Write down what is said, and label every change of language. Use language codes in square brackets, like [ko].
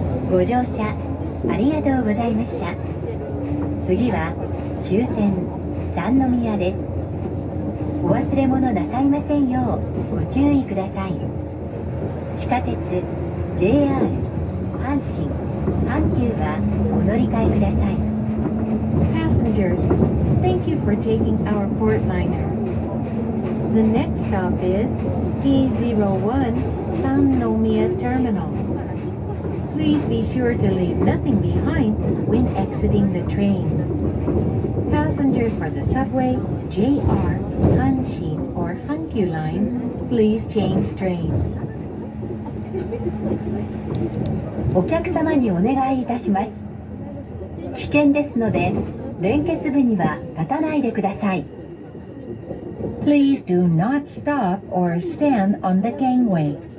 [ja] ご乗車ありがとうございました。次は終点三宮です。お忘れ物なさいませんようご注意ください。地下鉄 JR 阪神阪急はお乗り換えください。 [en] Passengers, thank you for taking our portliner. The next stop is T01 三宮 TerminalPlease be sure to leave nothing behind when exiting the train. Passengers for the subway, JR, Hanshin, or Hankyu lines, please change trains. [ja] お客様にお願いいたします。危険ですので、連結部には立たないでください。 [en] Please do not stop or stand on the gangway.